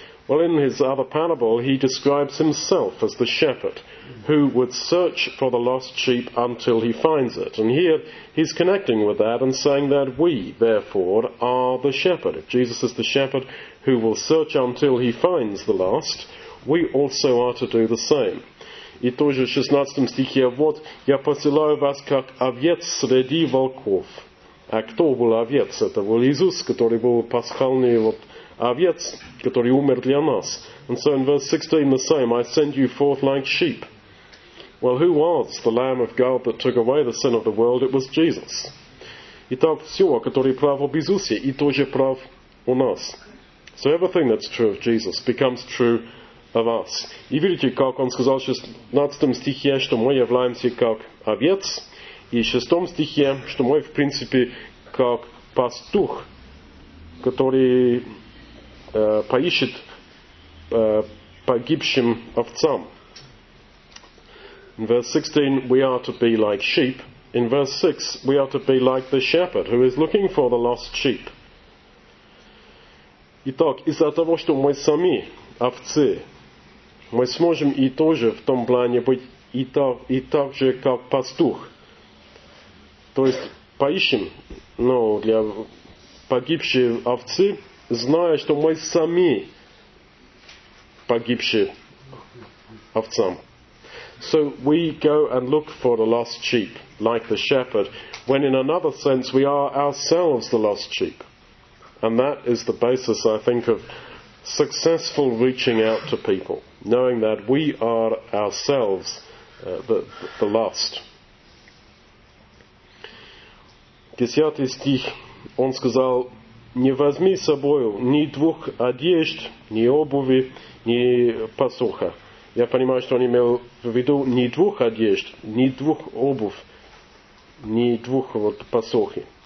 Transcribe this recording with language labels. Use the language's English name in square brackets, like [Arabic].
[English] Well, in his other parable, he describes himself as the shepherd, who would search for the lost sheep until he finds it. And here, he's connecting with that and saying that we, therefore, are the shepherd. If Jesus is the shepherd who will search until he finds the lost, we also are to do the same. [Russian] И тоже в 16 стихе, вот, я посылаю вас, как овец среди волков. А кто был овец? Это был Иисус, который был пасхальный вот овец, который умер для нас. [English] And so in verse 16 the same, I send you forth like sheep. Well, who was the Lamb of God that took away the sin of the world? It was Jesus. [Russian] Итак, все, который прав об Иисусе, и тоже прав у нас. [English] So everything that's true of Jesus becomes true of us. [Russian] И видите, как он сказал в 16 стихе, что мы являемся как овец, и в 6 стихе, что мы, в принципе, как пастух, который поищет погибшим овцам. [English] In verse 16, we are to be like sheep. In verse 6, we are to be like the shepherd who is looking for the lost sheep. [Russian] Итак, из-за того, что мы сами овцы, мы сможем и тоже в том плане быть и так же, как пастух. То есть поищем, ну, для погибшей овцы, зная, что мы сами погибшие овцам. [English] So we go and look for the lost sheep, like the shepherd, when in another sense we are ourselves the lost sheep. And that is the basis, I think, of successful reaching out to people, knowing that we are ourselves the lost. [Russian] Десятый стих. Он сказал, не возьми с собой ни двух одежд, ни обуви, ни пасуха. Я понимаю, что он имел в виду ни двух одежд, ни двух обувь, ни двух вот пасухи.